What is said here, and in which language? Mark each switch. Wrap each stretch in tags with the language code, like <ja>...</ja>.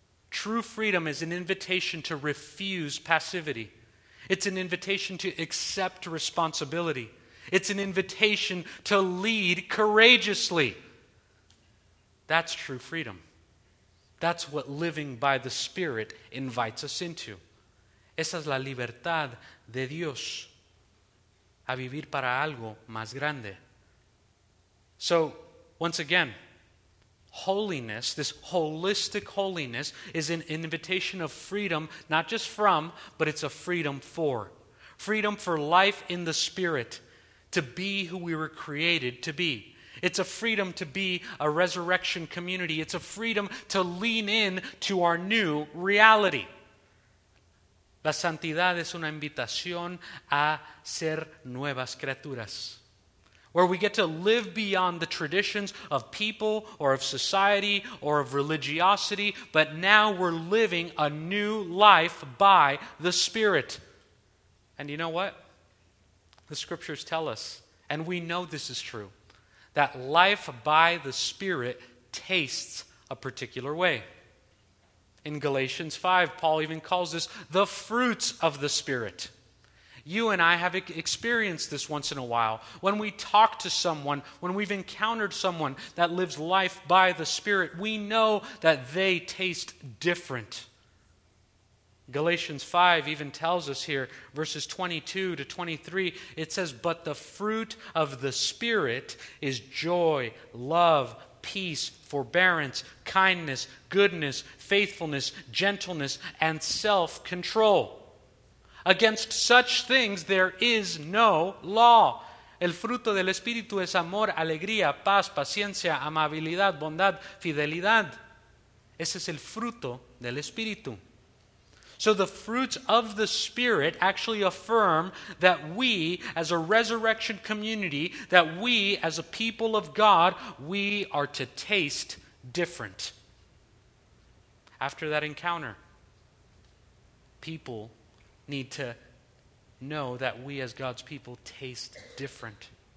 <en>True freedom is an invitation to refuse passivity. It's an invitation to accept responsibility. It's an invitation to lead courageously. That's true freedom. That's what living by the Spirit invites us into.</en> <es>Esa es la libertad de Dios, a vivir para algo más grande.</es> <en>So, once again, holiness, this holistic holiness, is an invitation of freedom, not just from, but it's a freedom for. Freedom for life in the Spirit, to be who we were created to be. It's a freedom to be a resurrection community. It's a freedom to lean in to our new reality.</en> <es>La santidad es una invitación a ser nuevas criaturas.</es> <en>Where we get to live beyond the traditions of people or of society or of religiosity, but now we're living a new life by the Spirit. And you know what? The Scriptures tell us, and we know this is true, that life by the Spirit tastes a particular way. In Galatians 5, Paul even calls this the fruits of the Spirit. You and I have experienced this once in a while. When we talk to someone, when we've encountered someone that lives life by the Spirit, we know that they taste different. Galatians 5 even tells us here, verses 22 to 23, it says, "But the fruit of the Spirit is joy, love, peace, forbearance, kindness, goodness, faithfulness, gentleness, and self-control. Against such things there is no law."</en> <es>El fruto del Espíritu es amor, alegría, paz, paciencia, amabilidad, bondad, fidelidad. Ese es el fruto del Espíritu.</es> <en>So the fruits of the Spirit actually affirm that we, as a resurrection community, that we, as a people of God, we are to taste different. After that encounter, people need to know that we as God's people taste different.</en>